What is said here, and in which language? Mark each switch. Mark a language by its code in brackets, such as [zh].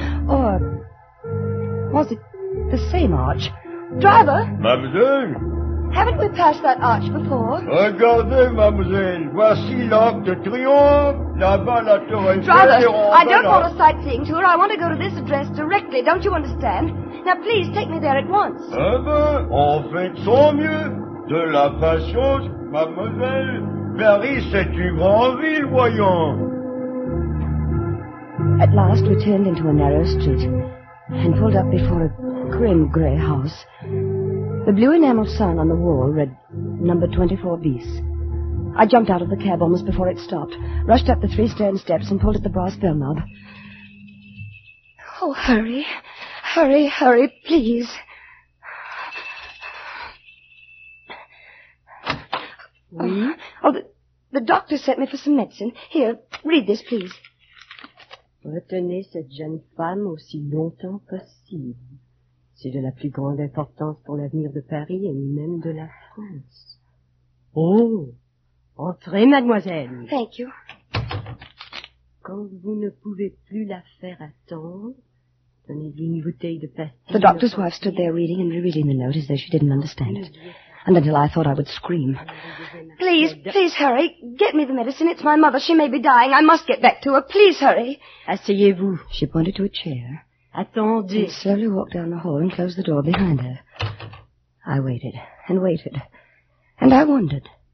[en] Or was it the same arch? Driver! [fr] Mademoiselle! [en] Haven't we passed that arch before? [fr] Regardez, mademoiselle. Voici l'Arc de Triomphe. Là-bas, la Tour Eiffel. [en] Driver, I don't want a sightseeing tour. I want to go to this address directly. Don't you understand? Now, please, take me there at once. [fr] Eh bien, en fait, sans mieux. De la patience, mademoiselle. Paris, c'est une grande ville, voyons. [en] At last, we turned into a narrow street and pulled up before a grim gray house. The blue enamel sign on the wall read, number 24 bis. I jumped out of the cab almost before it stopped, rushed up the 3 stone steps and pulled at the brass bell knob. Oh, hurry. Hurry, hurry, please. [fr] Oui? [en] Oh, the doctor sent me for some medicine. Here, read this, please. [fr] Retenez cette jeune femme aussi longtemps possible. C'est de la plus grande importance pour l'avenir de Paris et même de la France. Oh, entrez, mademoiselle. [en] Thank you. [fr] Quand vous ne pouvez plus la faire attendre, donnez-lui une bouteille de pastilles. [en] The doctor's wife stood there reading and rereading the note as though she didn't understand it. And until I thought I would scream. Please, please hurry. Get me the medicine. It's my mother. She may be dying. I must get back to her. Please hurry. [fr] Asseyez-vous. [en] She pointed to a chair. [fr] Attendez. [en] She slowly walked down the hall and closed the door behind her. I waited and waited. And I wondered.